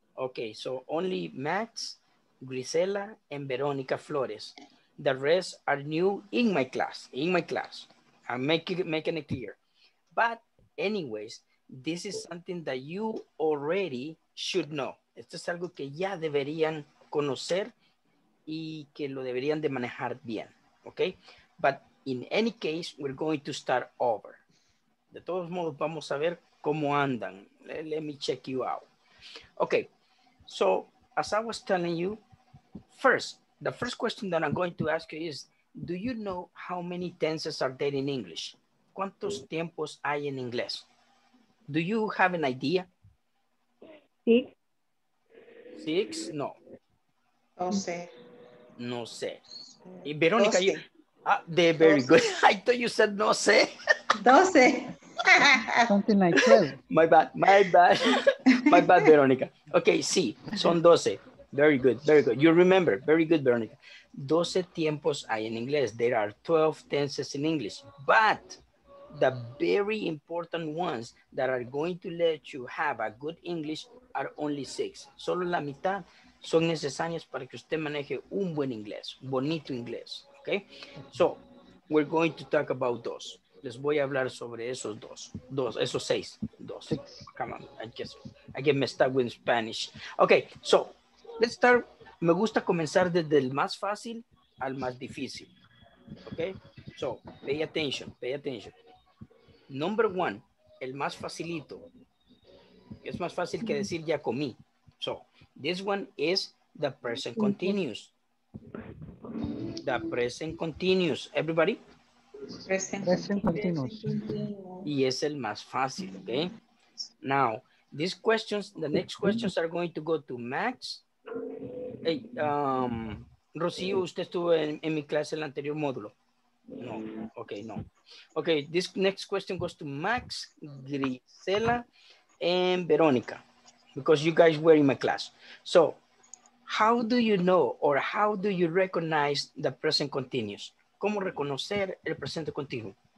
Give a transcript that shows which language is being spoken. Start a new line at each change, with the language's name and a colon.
English: Okay, so only Max, Grisela, and Veronica Flores. The rest are new in my class. I'm making it clear. But anyways, this is something that you already should know.
Spanish: Esto es algo que ya deberían conocer y que lo deberían de manejar bien, okay?
English: But in any case, we're going to start over.
Spanish: De todos modos, vamos a ver cómo andan.
English: Let me check you out. Okay, so as I was telling you, first, the first question that I'm going to ask you is, do you know how many tenses are there in English?
Spanish: ¿Cuántos tiempos hay en inglés?
English: Do you have an idea? Six. Six? No.
Spanish: No sé. No sé. Y
English: Verónica, you, they're very good. I thought you said
Spanish: no sé. Doce.
English: Something like that. My bad, my bad. My bad, Verónica. Okay,
Spanish: sí, son doce.
English: Very good, very good. You remember. Very good, Verónica.
Spanish: Doce tiempos hay en inglés.
English: There are 12 tenses in English. But the very important ones that are going to let you have a good English are only six.
Spanish: Solo la mitad son necesarias para que usted maneje un buen inglés, bonito inglés.
English: Okay? So, we're going to talk about those.
Spanish: Les voy a hablar sobre esos dos. Dos, esos seis. Dos.
English: Come on. I get messed up with Spanish. Okay, so, let's start.
Spanish: Me gusta comenzar desde el más fácil al más difícil.
English: Okay? So, pay attention, pay attention. Number one,
Spanish: el más facilito. Es más fácil que decir ya comí.
English: So, this one is the present continuous. The present continuous. Everybody? Present continuous.
Spanish: Y es el más fácil, okay?
English: Now, these questions, the next questions are going to go to Max.
Spanish: Hey, Rocío, usted estuvo en mi clase en el anterior módulo.
English: No, okay, no. Okay, this next question goes to Max, Grisela, and Verónica, because you guys were in my class. So, how do you know or how do you recognize the present continuous?
Spanish: ¿Cómo reconocer el presente continuo?